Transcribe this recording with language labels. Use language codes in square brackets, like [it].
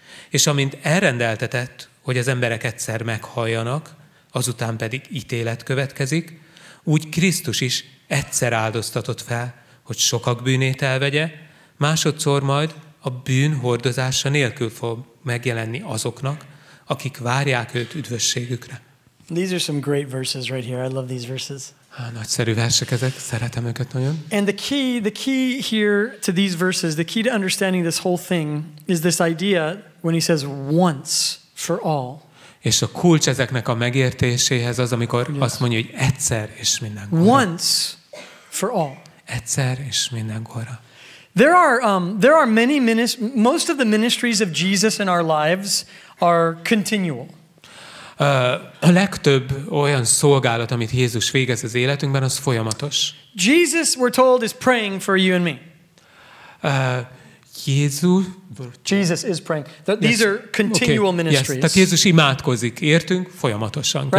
[hu] És amint elrendeltetett, hogy az emberek egyszer meghalljanak, azután pedig ítélet következik, úgy Krisztus is egyszer áldoztatott fel, hogy sokak bűnét elvegye, másodszor majd a bűn hordozása nélkül fog megjelenni azoknak, akik várják őt üdvösségükre. [en] These are some great verses right here. I love these verses. [hu] Nagyszerű versek ezek. Szeretem őket nagyon. [en] And the key here to these verses, the key to understanding this whole thing is this idea when he says once for all. [hu] És a kulcs ezeknek a megértéséhez az, amikor [en] yes. [hu] azt mondja, hogy egyszer és mindenkorra. [en] Once for all. [hu] Egyszer és mindenkorra. [en] There are many most of the ministries of Jesus in our lives are continual. [hu] A legtöbb olyan szolgálat, amit Jézus végez az életünkben, az folyamatos. [en] Jesus, we're told, is praying for you and me. Jesus is praying. These are continual ministries. Yes. [hu] Tehát Jézus imádkozik, értünk, folyamatosan [en] right?